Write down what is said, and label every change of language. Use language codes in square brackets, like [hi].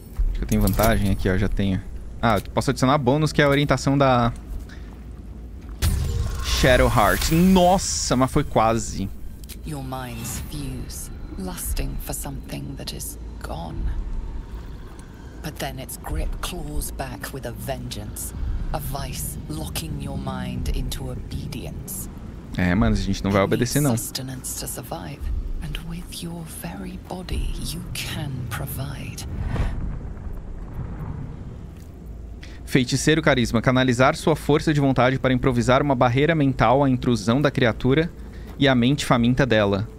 [pt] Acho que eu tenho vantagem aqui, ó. Já tenho. Ah, eu posso adicionar bônus, que é a orientação da... Shadowheart. Nossa, mas foi quase. [en] Your mind's fuse, lusting for something that is gone. But then its grip claws back with a vengeance, a vice locking your mind into obedience. [pt] É, mano, a gente não vai obedecer não. [en] Sustenance to survive, and with your very body you can provide. [pt] Feiticeiro Carisma. Canalizar sua força de vontade para improvisar uma barreira mental à intrusão da criatura e à mente faminta dela.